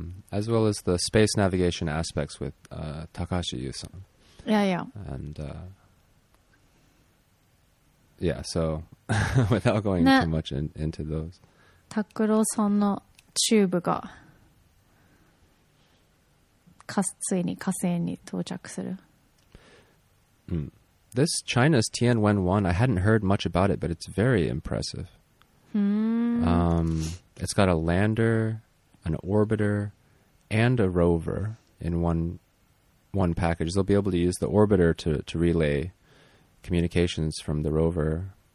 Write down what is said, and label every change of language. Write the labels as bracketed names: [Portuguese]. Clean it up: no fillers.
[English] As well as the space navigation aspects with Takashi Yu-san. So without going too much into those. [Japanese] Takuro-san のチューブがついに火星に到着する。うん。 [English] This China's Tianwen-1, I hadn't heard much about it, but it's very impressive. It's got a lander, an orbiter, and a rover in one package. They'll be able to use the orbiter to relay communications from the rover.